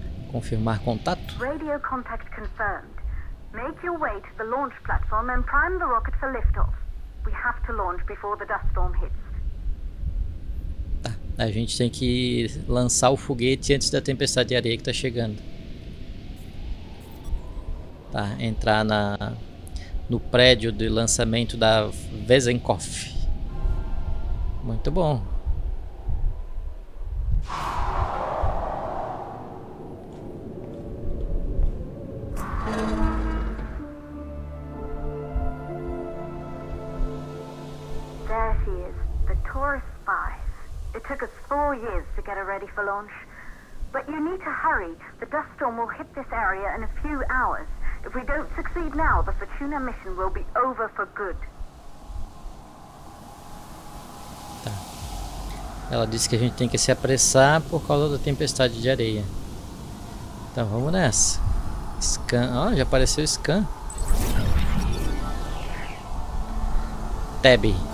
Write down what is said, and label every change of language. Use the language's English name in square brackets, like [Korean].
[Portuguese] Confirmar contato? [English] Radio contact confirmed. Make your way to the launch platform and prime the rocket for liftoff. We have to launch before the dust storm hits. [Portuguese] Tá. A gente tem que lançar o foguete antes da tempestade de areia que tá chegando. Tá, entrar no prédio de lançamento da Vesenkopf. Muito bom. [English] There she is, the Taurus 5. It took us 4 years to get her ready for launch. But you need to hurry. The dust storm will hit this area in a few hours. If we don't succeed now, the Fortuna mission will be over for good. [Portuguese] Tá. Ela disse que a gente tem que se apressar por causa da tempestade de areia. Então vamos nessa. Scan. Ó, já apareceu o scan. Tab.